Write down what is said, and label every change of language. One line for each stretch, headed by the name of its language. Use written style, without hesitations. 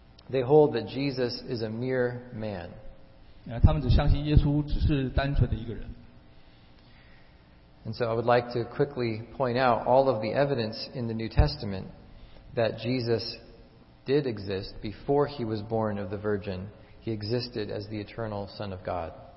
English: They hold that Jesus is a mere man.
Chinese: 他们只相信耶稣只是单纯的一个人。
English: And so I would like to quickly point out all of the evidence in the New Testament that Jesus did exist before he was born of the Virgin. He existed as the eternal Son of God.